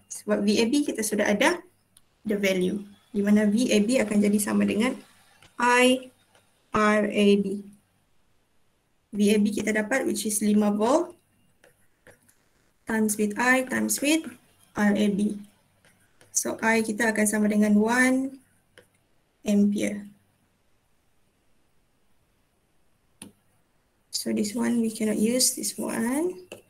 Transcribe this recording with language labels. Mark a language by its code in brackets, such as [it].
[ms] Sebab VAB kita sudah ada [en] the value. [ms] Di mana VAB akan jadi sama dengan IRAB. [en] VAB [ms] kita dapat [en] which is 5 volt times with I times with RAB. [ms] So I kita akan sama dengan 1 ampere. [en] So this one we cannot use this one.